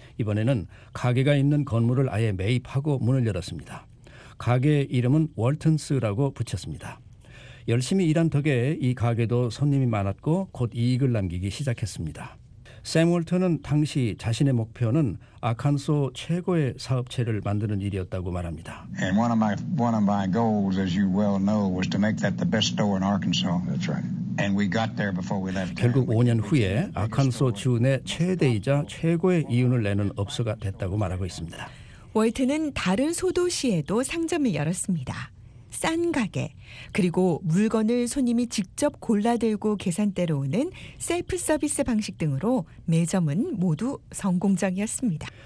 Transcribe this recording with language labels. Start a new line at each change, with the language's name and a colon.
Korean: 이번에는 가게가 있는 건물을 아예 매입하고 문을 열었습니다. 가게 이름은 월튼스라고 붙였습니다. 열심히 일한 덕에 이 가게도 손님이 많았고 곧 이익을 남기기 시작했습니다. 샘 월튼은 당시 자신의 목표는 아칸소 최고의 사업체를 만드는 일이었다고 말합니다.
English: And one of my goals, as you well know, was to make that the best store in Arkansas. That's right. And we got there before we left.
Korean: 결국 5년 후에 아칸소 주 내 최대이자 최고의 이윤을 내는 업소가 됐다고 말하고 있습니다. 월트는 다른 소도시에도 상점을 열었습니다. 싼 가게, 그리고 물건을 손님이 직접 골라들고 계산대로 오는 셀프 서비스 방식 등으로 매점은 모두 성공적이었습니다.